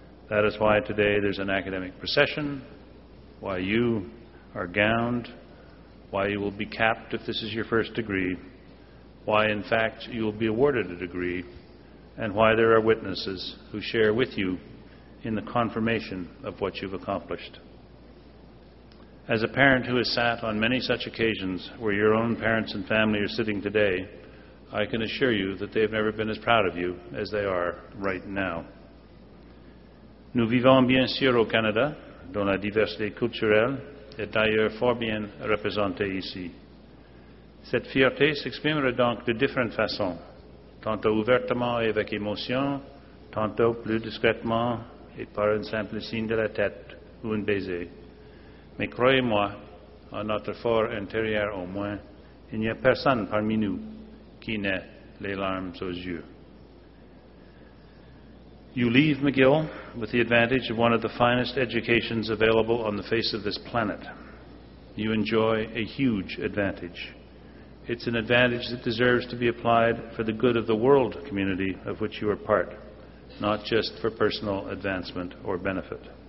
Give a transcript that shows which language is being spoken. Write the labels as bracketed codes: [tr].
[en] That is why today there's an academic procession, why you are gowned, why you will be capped if this is your first degree, why, in fact, you will be awarded a degree, and why there are witnesses who share with you in the confirmation of what you've accomplished. As a parent who has sat on many such occasions where your own parents and family are sitting today, I can assure you that they have never been as proud of you as they are right now. [fr] Nous vivons bien sûr au Canada, dont la diversité culturelle est d'ailleurs fort bien représentée ici. Cette fierté s'exprimera donc de différentes façons, tantôt ouvertement et avec émotion, tantôt plus discrètement et par un simple signe de la tête ou un baiser. Mais croyez-moi, en notre fort intérieur au moins, il n'y a personne parmi nous qui n'ait les larmes aux yeux. [en] You leave McGill with the advantage of one of the finest educations available on the face of this planet. You enjoy a huge advantage. It's an advantage that deserves to be applied for the good of the world community of which you are part, not just for personal advancement or benefit.